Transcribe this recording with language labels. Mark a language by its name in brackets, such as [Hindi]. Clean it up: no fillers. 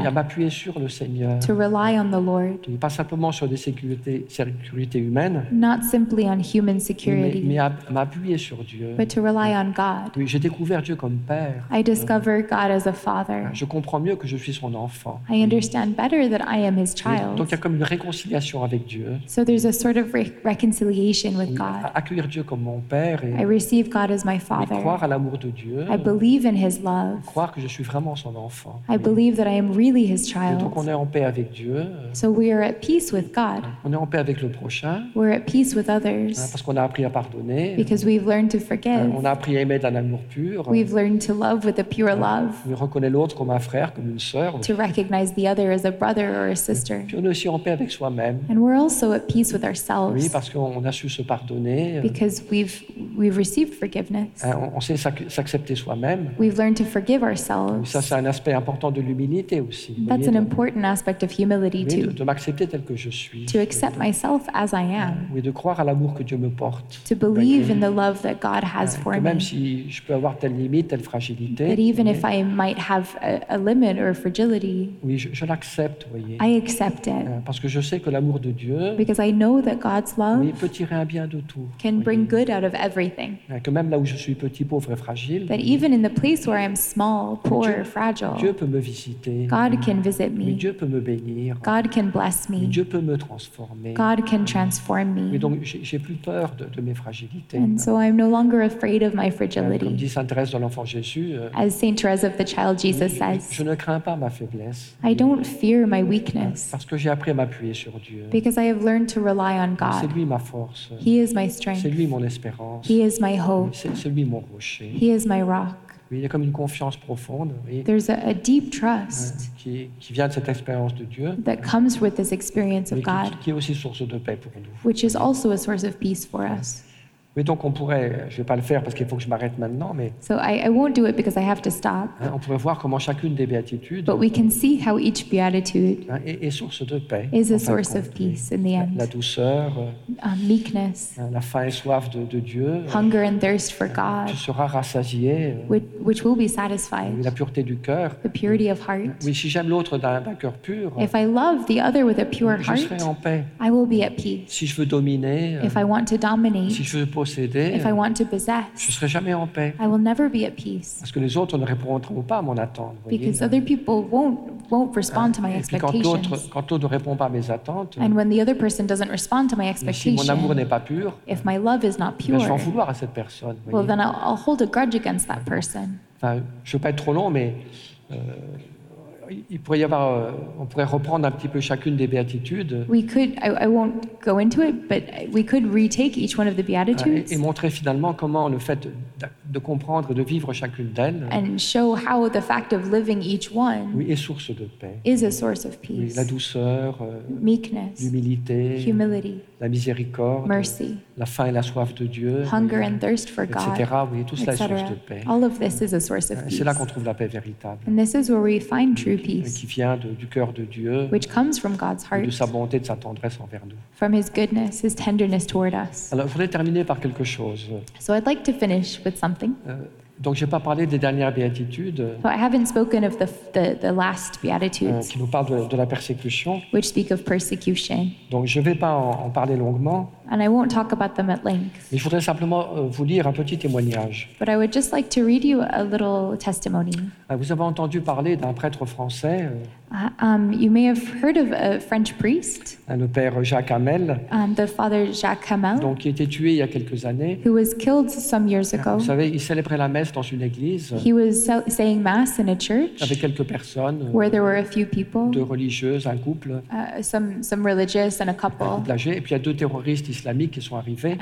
[French] Oui, à m'appuyer sur le Seigneur. [English] To rely on the Lord. [French] Oui, pas simplement sur des sécurités humaines. [English] Not simply on human security. [French] Mais à m'appuyer sur Dieu. [English] But to rely on God. [French] Oui, j'ai découvert Dieu comme Père. [English] I discovered God as a Father. [French] Je comprends mieux que je suis son enfant. [English] I understand better that I am his child. [French] Donc il y a comme une réconciliation avec Dieu. [English] So there's a sort of reconciliation with God. [French] Accueillir Dieu comme mon père et [English] I receive God as my father. [French] Croire à l'amour de Dieu. [English] I believe in his love. [French] Croire que je suis vraiment son enfant. [English] I believe that I am really his child. [French] Et donc on est en paix avec Dieu. [English] So we are at peace with God. [French] On est en paix avec le prochain. [English] We're at peace with others. [French] Parce qu'on a appris à pardonner. [English] Because we've learned to forgive. [French] On a appris à aimer d'un amour pur. [English] We've learned to love with a pure love. [French] On reconnaît l'autre comme un frère, comme une sœur. [English] To recognize the other as a brother or a sister. [French] Puis on est aussi en paix avec soi-même. [English] And we're also at peace with ourselves. [French] Oui, parce qu'on a su se pardonner. [English] Because we've received forgiveness. [French] On sait s'accepter soi-même. [English] We've learned to forgive ourselves. [French] Et ça, c'est un aspect important de l'humilité aussi. [English] That's an important aspect of humility too. [French] De m'accepter tel que je suis. [English] To accept myself as I am. [French] Oui, de croire à l'amour que Dieu me porte. [English] To believe in the love that God has for me. [French] Même si je peux avoir telle limite, telle fragilité. [English] That even if I might have a limit or a fragility. [French] Oui, je l'accepte, voyez. [English] I accept it. [French] Parce que je sais que l'amour de Dieu, [English] because I know that God's love, [French] oui, peut tirer un bien de tout, [English] can bring good out of everything. [French] Que même là où je suis petit, pauvre et fragile, [English] that even in the place where I'm small, poor, fragile, [French] Dieu peut me visiter. [English] God can visit me. [French] Dieu peut me bénir. [English] God can bless me. [French] Dieu peut me transformer. [English] God can transform me. [French] Et donc j'ai plus peur de mes fragilités. [English] And so I'm no longer afraid of my fragility. [French] Comme dit Sainte Thérèse de l'Enfant Jésus, [English] as Saint Thérèse of the Child Jesus says, [French] je ne crains pas ma faiblesse. [English] I don't fear my weakness. [French] Parce que j'ai appris à m'appuyer sur Dieu. [English] Because I have learned to rely on God. [French] C'est lui ma force. [English] He is my strength. [French] C'est lui mon espérance. [English] He is my hope. [French] C'est lui mon rocher. [English] He is my rock. [French] Oui, il y a comme une confiance profonde. Oui. [English] There's a deep trust. Oui. [French] Qui vient de cette expérience de Dieu. [English] That comes with this experience of God. [French] Qui est aussi source de paix pour nous. [English] Which is also a source of peace for us. [French] Mais donc on pourrait, je ne vais pas le faire parce qu'il faut que je m'arrête maintenant, mais [English] so I won't do it because I have to stop. [French] Hein, on pourrait voir comment chacune des béatitudes [English] but we can see how each beatitude [French] hein, est source de paix, [English] is a source of peace in the end. [French] La douceur, [English] meekness, [French] la faim et soif de Dieu, [English] hunger and thirst for God, [French] tu seras rassasié, [English] which will be satisfied, [French] la pureté du cœur, [English] the purity of heart. [French] Mais si j'aime l'autre d'un cœur pur, [English] if I love the other with a pure [French] je [English] heart, [French] serai en paix. [English] I will be at peace. [French] Si je veux dominer, [English] if I want to dominate, [French] si je veux posséder, [English] if I want to possess, [French] je serai jamais en paix. [English] I will never be at peace. [French] Parce que les autres ne répondront pas à mon attente. [English] Because other people won't respond to my expectations. [French] Quand l'autre ne répond pas à mes attentes, [English] and when the other person doesn't respond to my expectations, [French] si mon amour n'est pas pur, [English] if my love is not pure, [French] je vais en vouloir à cette personne. [English] Well, then I'll hold a grudge against that person. [French] Enfin, je veux pas être trop long, mais il pourrait y avoir, on pourrait reprendre un petit peu chacune des béatitudes. [English] We could, I won't go into it, but we could retake each one of the beatitudes. [French] Et montrer finalement comment le fait de comprendre et de vivre chacune d'elles. [English] And show how the fact of living each one. [French] Oui, est source de paix. [English] Is a source of peace. [French] Oui, la douceur. [English] Meekness. [French] L'humilité. [English] Humility. [French] La miséricorde. [English] Mercy. [French] La faim et la soif de Dieu. [English] Hunger and thirst for God. [French] Etc. Oui, tout cela est source de paix. [English] All of this is a source of peace. [French] C'est là qu'on trouve la paix véritable. [English] And this is where we find truth. [French] Qui vient du cœur de Dieu, [English] which comes from God's heart, [French] de sa bonté, de sa tendresse envers nous. [English] From his goodness, his tenderness toward us. [French] Alors, je voudrais terminer par quelque chose. [English] So I'd like to finish with something. [French] Donc, je n'ai pas parlé des dernières béatitudes. [English] So I haven't spoken of the last beatitudes. [French] Qui nous parle de la persécution. [English] Which speak of persecution. [French] Donc, je ne vais pas en parler longuement. [English] And I won't talk about them at length. [French] Mais je voudrais simplement vous lire un petit témoignage. [English] But I would just like to read you a little testimony. [French] Vous avez entendu parler d'un prêtre français. [English] You may have heard of a French priest. [French] Le père Jacques Hamel. [English] The father Jacques Hamel. [French] Donc, qui a été tué il y a quelques années. [English] Who was killed some years ago. [French] Vous savez, il célébrait la messe dans une église. [English] He was saying mass in a church. [French] Avec quelques personnes. [English] Where there were a few people. [French] Deux religieuses, un couple. [English] Some religious and a couple. [French] Et puis il y a deux terroristes islamiques qui sont arrivés.